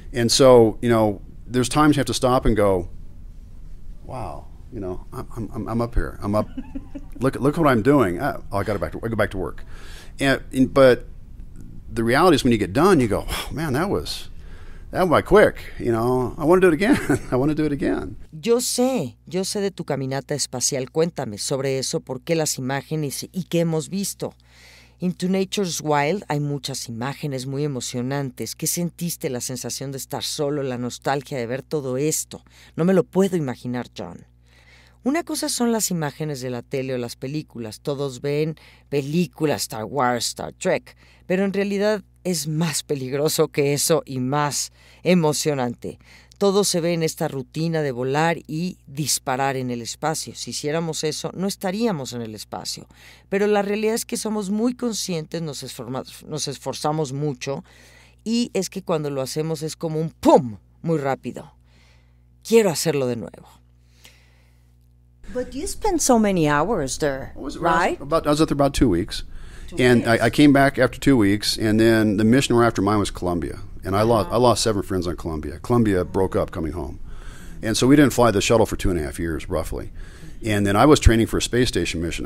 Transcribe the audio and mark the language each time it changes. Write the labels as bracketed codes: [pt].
[en] And so, you know, there's times you have to stop and go, wow, you know, I'm up here. I'm up. look what I'm doing. I go back to work. But the reality is when you get done, you go, oh, man, that was quick. You know, I want to do it again. I want to do it again. [es] Yo sé de tu caminata espacial. Cuéntame sobre eso, por qué las imágenes y qué hemos visto. Into Nature's Wild hay muchas imágenes muy emocionantes. ¿Qué sentiste? La sensación de estar solo, la nostalgia de ver todo esto. No me lo puedo imaginar, John. Una cosa son las imágenes de la tele o las películas. Todos ven películas, Star Wars, Star Trek. Pero en realidad es más peligroso que eso y más emocionante. Todo se ve en esta rutina de volar y disparar en el espacio. Si hiciéramos eso, no estaríamos en el espacio. Pero la realidad es que somos muy conscientes, nos esforzamos mucho, y es que cuando lo hacemos es como un ¡pum! Muy rápido. Quiero hacerlo de nuevo. [en] But you spent so many hours there, right? I was there about 2 weeks. Two weeks. I came back after 2 weeks, and then the mission we're after mine was Colombia. And I lost 7 friends on Columbia. Columbia broke up coming home. And so we didn't fly the shuttle for 2.5 years, roughly. And then I was training for a space station mission.